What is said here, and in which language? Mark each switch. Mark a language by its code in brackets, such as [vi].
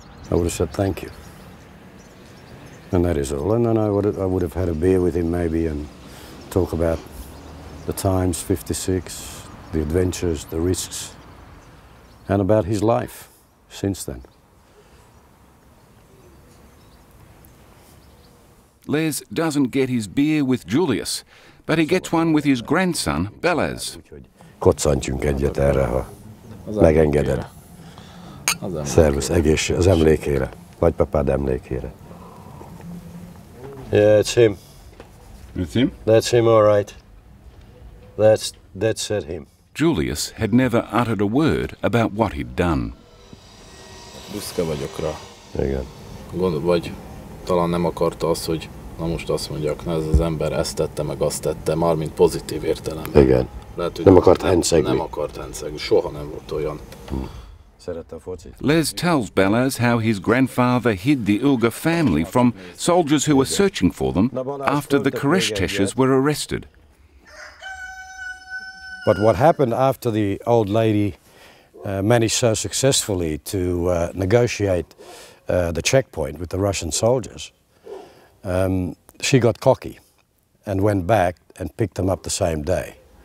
[en] I would have said thank you. And that is all. And then I would have had a beer with him maybe and talk about the times, 56, the adventures, the risks, and about his life since then. Les doesn't get his beer with Julius, but he gets one with his grandson, Belez. [hu] Kocsantjunk egyet erre, ha megengeded. Szervusz, egészség, az emlékére, nagypapád emlékére. [en] Yeah, it's him. It's him? That's him, all right. That's it, him. Julius had never uttered a word about what he'd done. [hu] Büszke vagyok rá. Igen. Vagy talán nem akarta azt, hogy na most azt mondjak, na ez az ember ezt tette, meg azt tette, mármint pozitív értelemben. Igen. Lehet, hogy nem akart hencegni. Nem akart hencegni. Soha nem volt olyan. [en] Les tells Belez how his grandfather hid the Uyghur family from soldiers who were searching for them after the Kereshteshes were arrested. But what happened after the old lady managed so successfully to negotiate the checkpoint with the Russian soldiers, she got cocky and went back and picked them up the same day.